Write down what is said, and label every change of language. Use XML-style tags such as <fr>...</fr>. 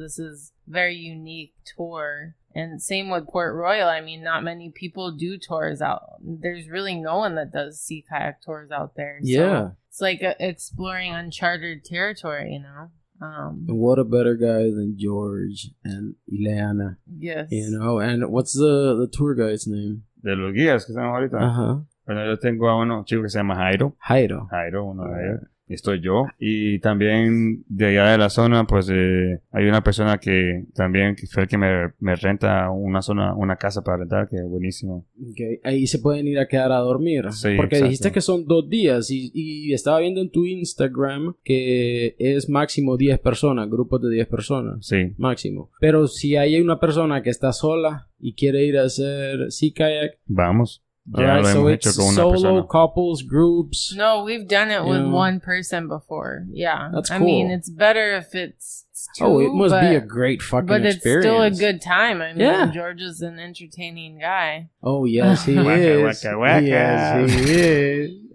<en>This is very unique tour. And same with Port Royal, I mean, not many people do tours out. There's really no one that does sea kayak tours out there. Yeah. So it's like exploring uncharted territory, you know? And what a better guy than George and Ileana. Yes. You know, and what's the tour guide's name?</en> <es>De los guías que están ahorita. Uh-huh. Bueno, yo tengo a uno chico que se llama Jairo. Jairo. Jairo, uno de ellos. Y estoy yo. Y también de allá de la zona, pues hay una persona que también fue el que me renta una casa para rentar, que es buenísimo.</es> <en>Okay.</en> <es>Ahí se pueden ir a quedar a dormir. Sí, porque exacto. Dijiste que son 2 días y estaba viendo en tu Instagram que es máximo 10 personas, grupos de 10 personas. Sí. Máximo. Pero si hay una persona que está sola y quiere ir a hacer sea kayak. Vamos.</es> <en>Yeah, right, so it's solo, persona. Couples, groups. No, we've done it with one person before. Yeah. That's cool. I mean, it's better if it must be a great fucking experience. But it's still a good time. I mean, yeah. George is an entertaining guy. Oh, yes, he is. Waka, waka. Yes, he is.</en>